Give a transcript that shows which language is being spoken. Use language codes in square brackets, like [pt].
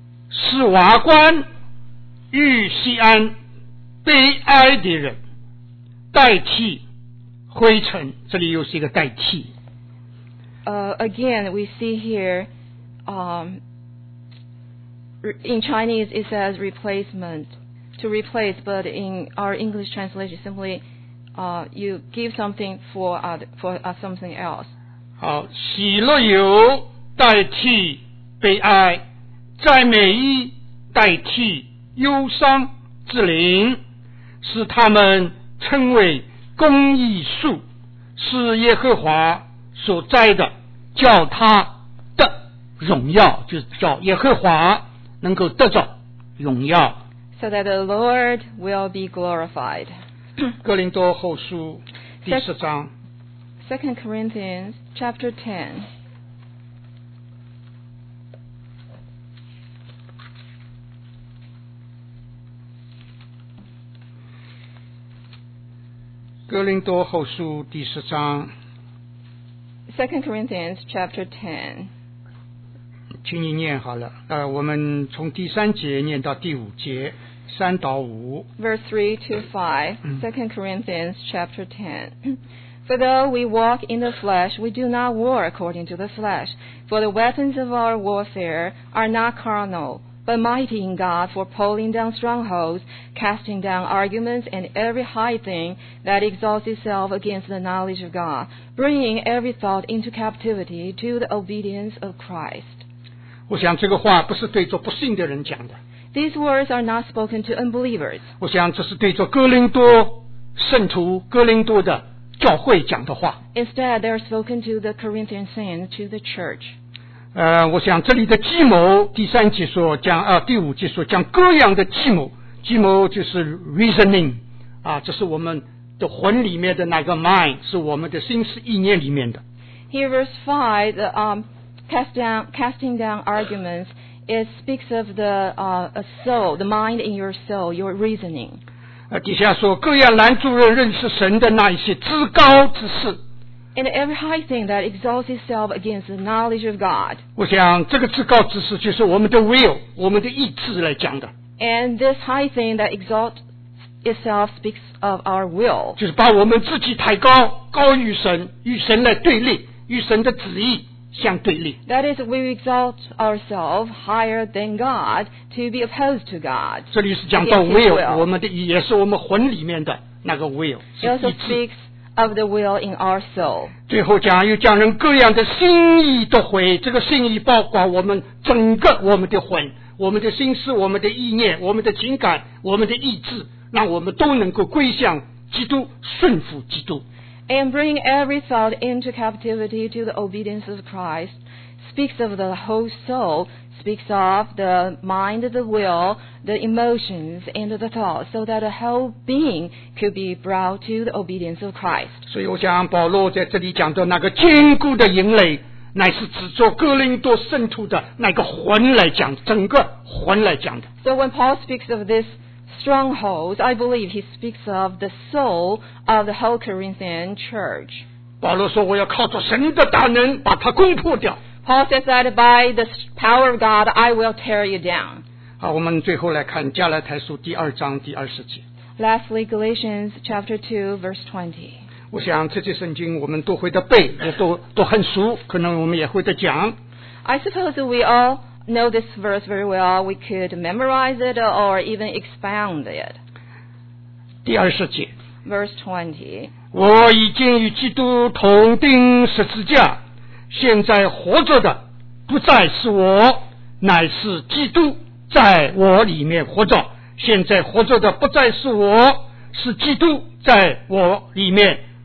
[zh] 是瓦官遇西安悲哀的人代替灰尘这里又是一个代替、 [en] Again we see here、In Chinese it says replacement To replace But in our English translation Simply、you give something for something else [zh] 好喜乐油代替悲哀赞美衣代替忧伤之灵使他们称为公义树是耶和华所栽的叫他的荣耀就是叫耶和华能够得着荣耀 [en] So that the Lord will be glorified [zh] 哥林多后书第十章 [en] Second Corinthians chapter 10 [zh] 哥林多后书第十章 [en] Second Corinthians chapter [zh] 10请你念好了、我们从第三节念到第五节三到五 [en] Verse 3 to 5 Second Corinthians chapter 10 For though we walk in the flesh we do not war according to the flesh For the weapons of our warfare are not carnal but mighty in God for pulling down strongholds, casting down arguments and every high thing that exalts itself against the knowledge of God, bringing every thought into captivity to the obedience of Christ. [zh] 我想这个话不是对着不信的人讲的。 [en] These words are not spoken to unbelievers. [zh] 我想这是对着哥林多圣徒、哥林多的教会讲的话。 [en] Instead, they are spoken to the Corinthian saints, to the church. [zh] 我想这里的计谋第三节说讲啊第五节说讲各样的计谋计谋就是 reasoning 啊这是我们的魂里面的那个 mind 是我们的心思意念里面的 [en] Here verse 5 the, casting down arguments it speaks of the、soul the mind in your soul your reasoning [zh] 底下说各样拦阻人认识神的那一些至高之事 [en] And every high thing that exalts itself against the knowledge of God. [zh] 我想这个至高之事就是我们的 will, 我们的意志来讲的。 [en] And this high thing that exalts itself speaks of our will. [zh] 就是把我们自己抬高，高于神，与神来对立，与神的旨意相对立。 [en] That is, we exalt ourselves higher than God to be opposed to God. [zh] 这里是讲到 will, 我们的也是我们魂里面的那个 will, 是意志。 [en] It also speaks of the will in our soul. [zh] 最后讲又讲人各样的心意都毁这个心意包括我们整个我们的魂我们的心思我们的意念我们的情感我们的意志让我们都能够归向基督顺服基督 [en] and bringing every thought into captivity to the obedience of Christ speaks of the whole soul, speaks of the mind, the will, the emotions, and the thoughts, so that the whole being could be brought to the obedience of Christ. [zh] 所以我想保罗在这里讲的那个坚固的营垒乃是指着哥林多圣徒的那个魂来讲，整个魂来讲的。 [en] So when Paul speaks of this stronghold, I believe he speaks of the soul of the whole Corinthian church. [zh] 保罗说：“我要靠着神的大能把它攻破掉。” [en] Paul says that by the power of God, I will tear you down. [zh] 好，我们最后来看加拉太书第二章第二十节。 [en] Lastly, Galatians chapter 2, verse 20. [zh] 我想这些圣经我们都会的背，也 都很熟，可能我们也会的讲。 [en] I suppose we all know this verse very well. We could memorize it or even expound it. [zh] 第二十节。 [en] Verse 20. [zh] 我已经与基督同钉十字架，现在活着的不再是我，乃是基督在我里面活着。现在活着的不再是我，是基督在我里面。